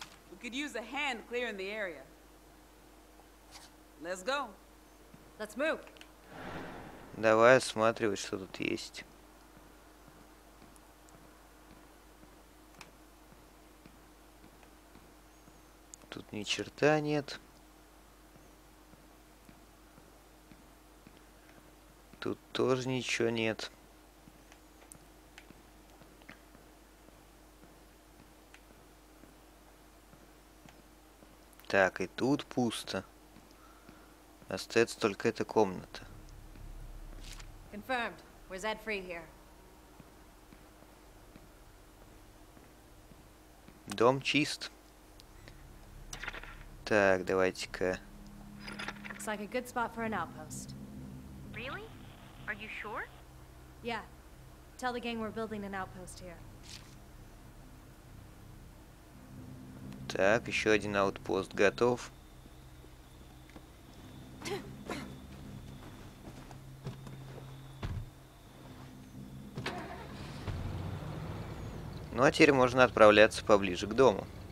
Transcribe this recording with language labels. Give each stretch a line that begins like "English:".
English: We could use a hand clearing the area. Let's go. Let's move.
Russian: Давай осматривать, что тут есть. Тут ни черта нет. Тут тоже ничего нет. Так, и тут пусто. Остается только эта комната.
English: Confirmed. We're Zed free here.
Russian: Дом чист. Так, давайте-ка.
English: Looks like a good spot for an outpost. Really? Are you sure? Yeah. Tell the gang we're building an outpost here.
Russian: Так, еще один аутпост готов. Ну а теперь можно отправляться поближе к дому.